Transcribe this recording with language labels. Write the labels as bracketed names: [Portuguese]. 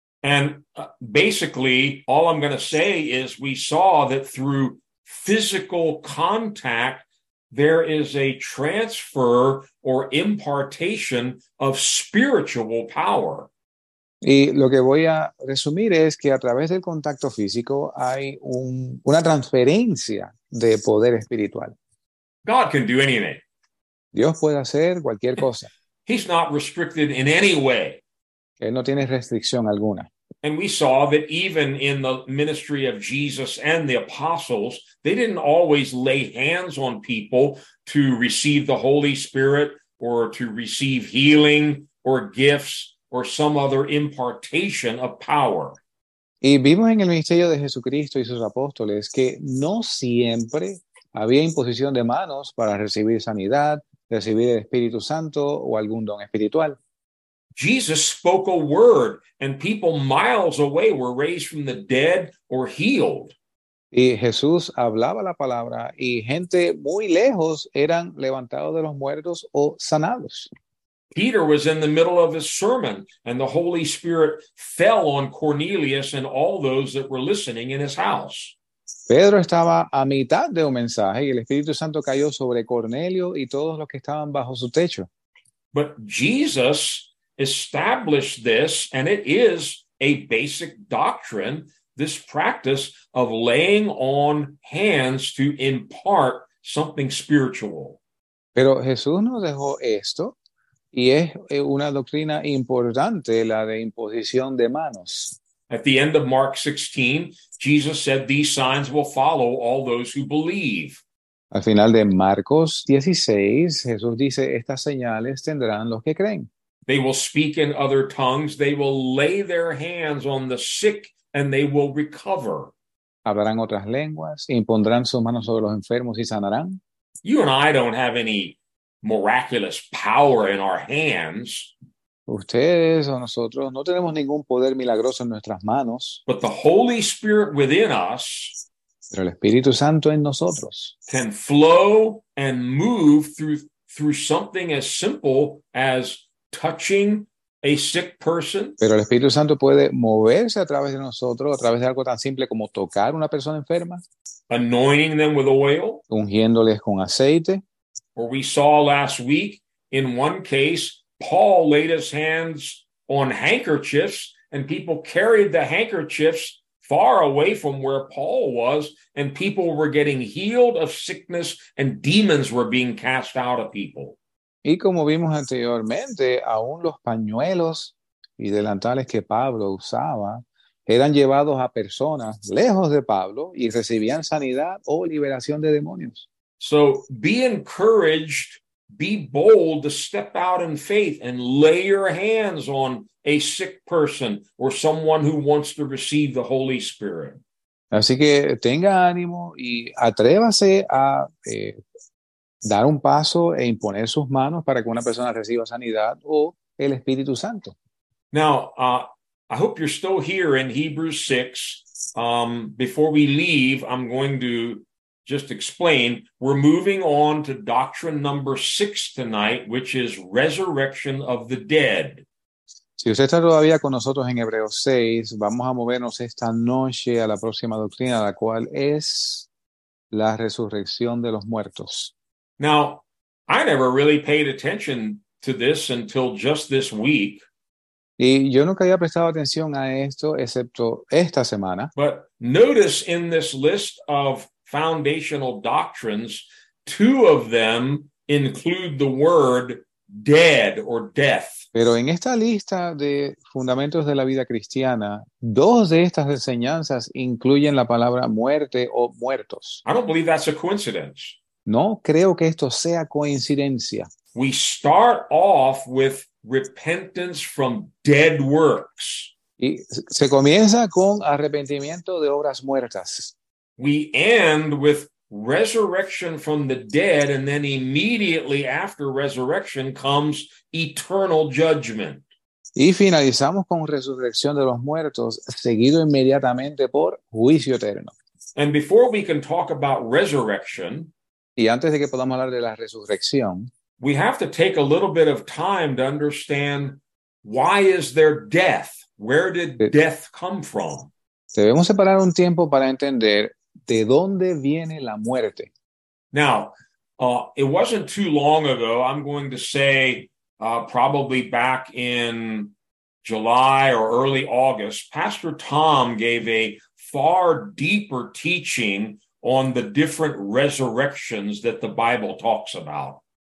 [English] And basically, all I'm going to say is we saw that through physical contact, there is a transfer or impartation of spiritual power. [Spanish] Y lo que voy a resumir es que a través del contacto físico hay una transferencia de poder espiritual. [English] God can do anything. [Spanish] Dios puede hacer cualquier cosa. [English] He's not restricted in any way. [Spanish] Él no tiene restricción alguna. [English] And we saw that even in the ministry of Jesus and the apostles, they didn't always lay hands on people to receive the Holy Spirit or to receive healing or gifts or some other impartation of power. [Spanish] Y vimos en el ministerio de Jesucristo y sus apóstoles que no siempre había imposición de manos para recibir sanidad, recibir el Espíritu Santo o algún don espiritual. [English] Jesus spoke a word and people miles away were raised from the dead or healed. [Spanish] Y Jesús hablaba la palabra y gente muy lejos eran levantados de los muertos o sanados. [English] Peter was in the middle of his sermon and the Holy Spirit fell on Cornelius and all those that were listening in his house. [Spanish] Pedro estaba a mitad de un mensaje y el Espíritu Santo cayó sobre Cornelio y todos los que estaban bajo su techo. [English] But Jesus established this, and it is a basic doctrine, this practice of laying on hands to impart something spiritual. [Spanish] Pero Jesús nos dejó esto, y es una doctrina importante, la de imposición de manos. [English] At the end of Mark 16, Jesus said, "These signs will follow all those who believe." [Spanish] Al final de Marcos 16, Jesús dice, "Estas señales tendrán los que creen." [English] They will speak in other tongues. They will lay their hands on the sick, and they will recover. [Spanish] Hablarán otras lenguas, impondrán sus manos sobre los enfermos y sanarán. [English] You and I don't have any miraculous power in our hands. [Spanish] Ustedes o nosotros no tenemos ningún poder milagroso en nuestras manos. [English] But the Holy Spirit within us, [Spanish] pero el Espíritu Santo en nosotros, [English] can flow and move through something as simple as touching a sick person. [Spanish] Pero el Espíritu Santo puede moverse a través de nosotros, a través de algo tan simple como tocar una persona enferma. [English] Anointing them with oil. [Spanish] Ungiéndoles con aceite. [English] Or we saw last week, in one case, Paul laid his hands on handkerchiefs and people carried the handkerchiefs far away from where Paul was, and people were getting healed of sickness and demons were being cast out of people. [Spanish] Y como vimos anteriormente, aún los pañuelos y delantales que Pablo usaba eran llevados a personas lejos de Pablo y recibían sanidad o liberación de demonios. [English] So be encouraged, be bold to step out in faith and lay your hands on a sick person or someone who wants to receive the Holy Spirit. [Spanish] Así que tenga ánimo y atrévase a dar un paso e imponer sus manos para que una persona reciba sanidad o el Espíritu Santo. [English] Now, I hope you're still here in Hebrews 6. Before we leave, I'm going to just explain. We're moving on to doctrine number 6 tonight, which is resurrection of the dead. [Spanish] Si usted está todavía con nosotros en Hebreos 6, vamos a movernos esta noche a la próxima doctrina, la cual es la resurrección de los muertos. [English] Now, I never really paid attention to this until just this week. [Spanish] Y yo nunca había prestado atención a esto, excepto esta semana. [English] But notice in this list of foundational doctrines, two of them include the word dead or death. [Spanish] Pero en esta lista de fundamentos de la vida cristiana, dos de estas enseñanzas incluyen la palabra muerte o muertos. [English] I don't believe that's a coincidence. [Spanish] No creo que esto sea coincidencia. [English] We start off with repentance from dead works. [Spanish] Y se comienza con arrepentimiento de obras muertas. [English] We end with resurrection from the dead, and then immediately after resurrection comes eternal judgment. [Spanish] Y finalizamos con resurrección de los muertos, seguido inmediatamente por juicio eterno. [English] And before we can talk about resurrection, [Spanish] y antes de que podamos hablar de la resurrección, [English] we have to take a little bit of time to understand why is there death? Where did death come from? [Spanish] Debemos separar un tiempo para entender de dónde viene la muerte. [English] Now, it wasn't too long ago, I'm going to say probably back in July or early August, Pastor Tom gave a far deeper teaching on the different resurrections that the Bible talks about.